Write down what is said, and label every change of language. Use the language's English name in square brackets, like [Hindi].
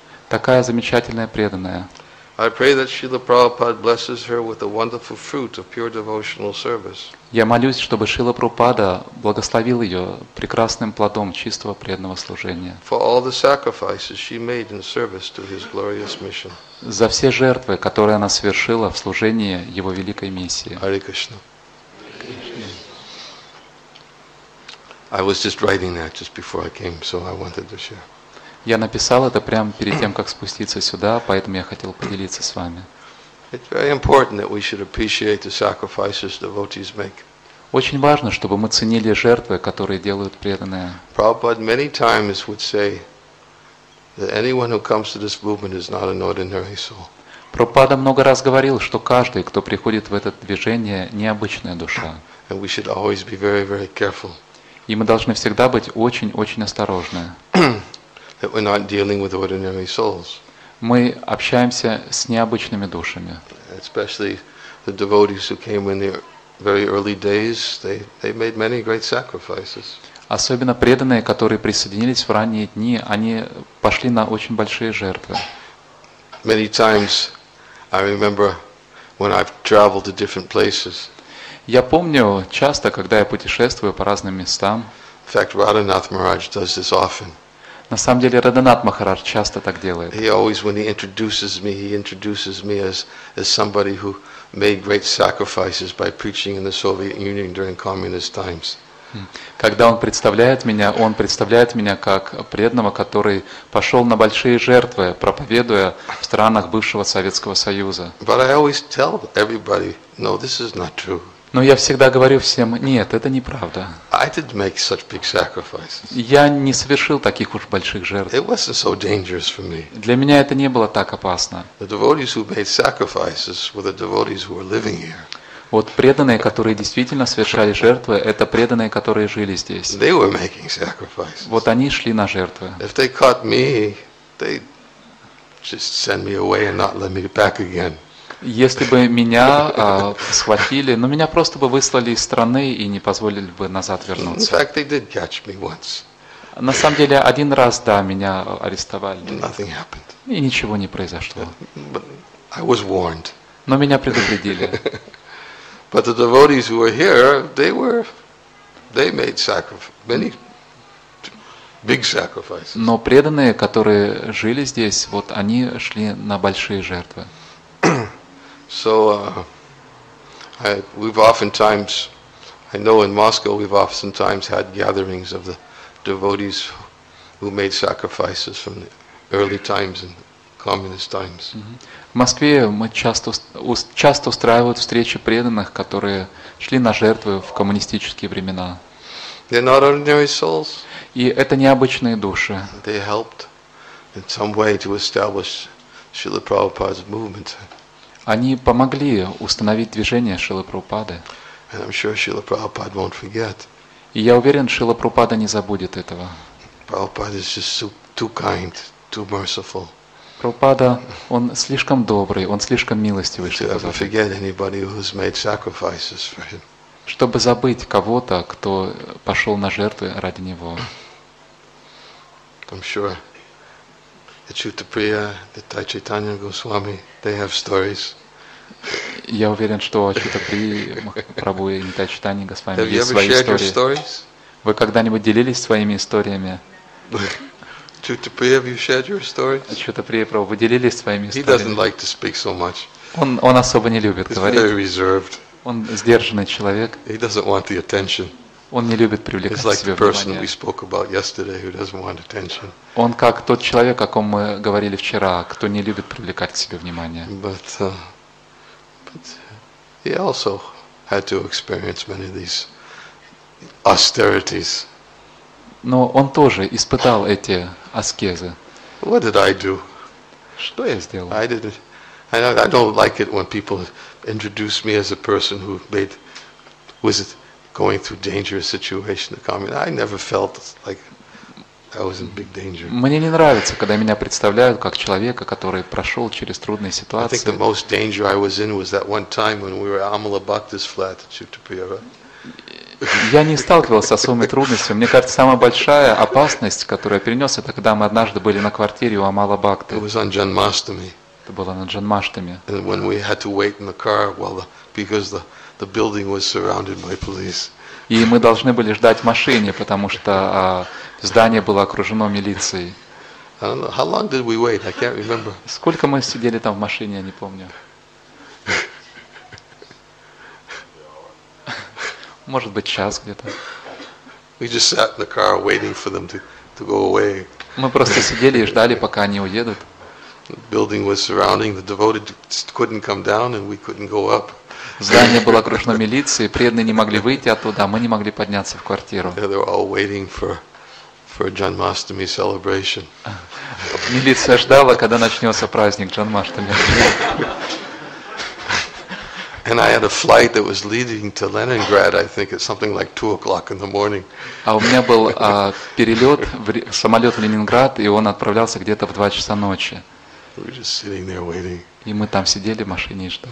[Russian] Такая замечательная преданная. [English] I pray that Srila Prabhupada blesses her with the wonderful fruit of pure devotional service. [Russian] Я молюсь, чтобы Шрила Прабхупада благословил ее прекрасным плодом чистого преданного служения. [English] For all the sacrifices she made in service to his glorious mission. [Russian] За все жертвы, которые она совершила в служении его великой миссии. [English] Hare Krishna. I was just writing that just before I came, so I wanted to share. [Russian] Я написал это прямо перед тем, как спуститься сюда, поэтому я хотел поделиться с вами. [English] It's very important that we should appreciate the sacrifices devotees make. [Russian] Очень важно, чтобы мы ценили жертвы, которые делают преданные. [English] Prabhupada many times would say that anyone who comes to this movement is not an ordinary soul. [Russian] Прабхупада много раз говорил, что каждый, кто приходит в это движение, необычная душа. [English] And we should always be very, very careful. [Russian] И мы должны всегда быть очень-очень осторожны. [English] That we're not dealing with ordinary souls. [Russian] Мы общаемся с необычными душами. [English] Especially the devotees who came in the very early days, they made many great sacrifices. [Russian] Особенно преданные, которые присоединились в ранние дни, они пошли на очень большие жертвы. [English] Many times I remember when I've traveled to different places. [Russian] Я помню часто, когда я путешествую по разным местам. [English] In fact, Radhanath Maharaj does this often. [Russian] На самом деле, Радханат Махарадж часто так делает. [English] He always, when he introduces me as somebody who made great sacrifices by preaching in the Soviet Union during communist times. [Russian] Когда он представляет меня как преданного, который пошел на большие жертвы, проповедуя в странах бывшего Советского Союза. [English] But I always tell everybody, no, this is not true. [Russian] Но я всегда говорю всем, нет, это неправда. [English] I didn't make such big sacrifices. [Russian] Я не совершил таких уж больших жертв. [English] It wasn't so dangerous for me. [Russian] Для меня это не было так опасно. [English] The devotees who made sacrifices were the devotees who were living here. [Russian] Вот преданные, которые действительно совершали жертвы, это преданные, которые жили здесь. [English] They were making sacrifices. [Russian] Вот они шли на жертвы. [English] If they caught me, they just send me away and not let me back again. [Russian] Если бы меня схватили, но меня просто бы выслали из страны и не позволили бы назад вернуться. [English] In fact, they did catch me once. [Russian] На самом деле, один раз, да, меня арестовали. [English] Nothing happened. [Russian] И ничего не произошло. [English] But I was warned. [Russian] Но меня предупредили. [English] But the devotees who were here, they made many big sacrifices. [Russian] Но преданные, которые жили здесь, вот они шли на большие жертвы. [English] So we've oftentimes, I know in Moscow we've oftentimes had gatherings of the devotees who made sacrifices from the early times and communist times. [Russian] В Москве мы часто устраивают встречи преданных, которые шли на жертвы в коммунистические времена. [English] They're not ordinary souls. [Russian] И это необычные души. [English] They helped in some way to establish Srila Prabhupada's movement. [Russian] Они помогли установить движение Шрилы Прабхупады. [English] And I'm sure Srila Prabhupada won't forget. [Russian] И я уверен, Шрила Прабхупада не забудет этого. [English] Prabhupada is just too kind, too merciful. [Russian] Прабхупада, он слишком добрый, он слишком милостивый, чтобы забыть. [English] To ever forget anybody who's made sacrifices for him. [Russian] Чтобы забыть кого-то, кто пошел на жертвы ради него. [English] I'm sure. The Chutapriya, the Tai Chaitanya Goswami, they have stories. [Russian] Я уверен, что Чутаприя, Махапрабху и Тай Чайтанья Госвами есть свои истории. [English] Have you ever shared your stories? [Russian] Вы когда-нибудь делились своими историями? [English] Chutapriya, have you shared your stories? [Russian] Чутаприя, Прабху, вы делились своими историями? [English] He doesn't like to speak so much. [Russian] Он особо не любит говорить. [English] He's very reserved. [Russian] Он сдержанный человек. [English] He doesn't want the attention. [Russian] Он не любит привлекать [English] like [Russian] себе внимание. [English] We spoke about yesterday, who doesn't want attention. [Russian] Он как тот человек, о ком мы говорили вчера, кто не любит привлекать к себе внимание. [English] But he also had to experience many of these austerities. [Russian] Но он тоже испытал эти аскезы. [English] What did I do? [Russian] Что я сделал? [English] I didn't. I don't like it when people introduce me as a person who made was it. Going through dangerous situation, the communist. I never felt like I was in big danger. [Russian] Мне не нравится, когда меня представляют как человека, который прошел через трудные ситуации. [English] I think the most danger I was in was that one time when we were at Amala Bhakti's flat at Chutapriya. [Russian] Я не сталкивался с особыми трудностями. Мне кажется, самая большая опасность, которую я перенес, это когда мы однажды были на квартире у Амала Бхакти. [English] It was on Janmashtami. [Russian] Это было на Джанмаштами. [English] And when we had to wait in the car while the, because the building was surrounded by police. [Russian] И мы должны были ждать в машине, потому что здание было окружено милицией. [English] I don't know, how long did we wait? I can't remember. [Russian] Сколько мы сидели там в машине, я не помню. Может быть, час где-то. [English] We just sat in the car waiting for them to go away. [Russian] Мы просто сидели и ждали, пока они уедут. [English] The building was surrounding, the devoted couldn't come down and we couldn't go up. [Russian] Здание было окружено милицией, преданные не могли выйти оттуда, мы не могли подняться в квартиру. [English] Yeah, they were all waiting for Janmashtami celebration. [Russian] Милиция ждала, когда начнется праздник Джанмаштами. [English] And I had a flight that was leading to Leningrad, I think, at something like 2 o'clock in the morning. [Russian] А у меня был перелет, самолет в Ленинград, и он отправлялся где-то в 2 часа ночи. [English] We were just sitting there waiting. [Russian] И мы там сидели в машине и ждали.